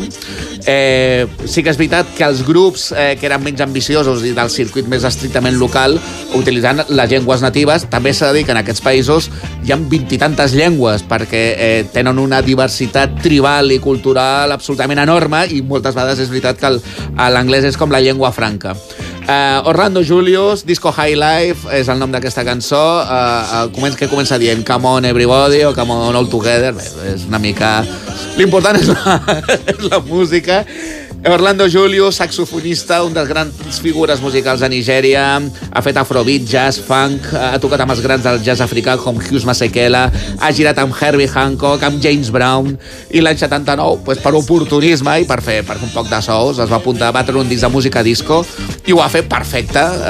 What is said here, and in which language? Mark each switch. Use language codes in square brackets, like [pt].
[ca] Sí que és veritat que els grups que eren menys ambiciosos i del circuit més estrictament local, utilitzant les llengües natives, també s'ha de dir que en aquests països hi ha 20 i tantes llengües, perquè tenen una diversitat tribal i cultural absolutament enorme, i moltes vegades és veritat que l'anglès és com la llengua franca. Orlando Julius, Disco High Life és el nom d'aquesta cançó. Què comença dient? [en] Come on everybody o come on all together? [ca] Bé, és una mica... L'important és la música. Orlando Julius, saxofonista, un dels grans figures musicals de Nigèria, ha fet afrobeat, jazz, funk, ha tocat amb els grans del jazz africà com Hughes Masekela, ha girat amb Herbie Hancock, amb James Brown, i l'any 79, pues, per oportunisme i per un poc de sous, es va apuntar, va treure un disc de música disco, i ho ha fet perfecte.